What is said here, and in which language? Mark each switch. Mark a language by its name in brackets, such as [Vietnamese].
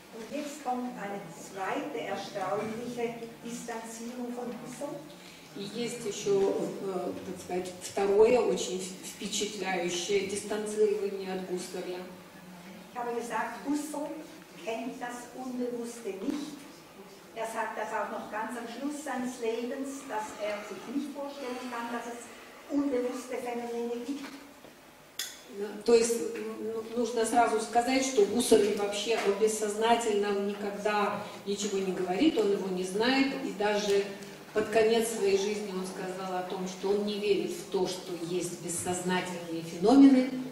[Russian] И есть еще, так сказать, второе очень впечатляющее дистанцирование от Гуссерля. Я бы сказала, [German] Гуссерль kennt das Unbewusste nicht. Er sagt das auch noch ganz am Schluss seines Lebens, dass er sich nicht vorstellen kann, dass es unbewusste Phänomene gibt. [Russian] То есть нужно сразу сказать, что Гуссерль вообще о бессознательном никогда ничего не говорит, он его не знает, и даже под конец своей жизни он сказал о том, что он не верит в то, что есть бессознательные феномены.